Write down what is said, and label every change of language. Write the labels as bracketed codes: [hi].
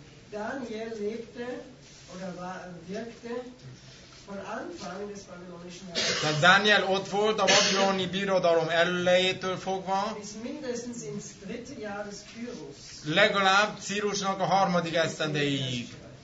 [de] Daniel lebte, oder wirkte, von Anfang des babylonischen Reiches. [hu] Tehát Daniel ott volt a babiloni birodalom elejétől fogva. [de] Bis mindestens ins dritte Jahr des Kyros. [hu] Legalább Círusnak a harmadik esztendejéig.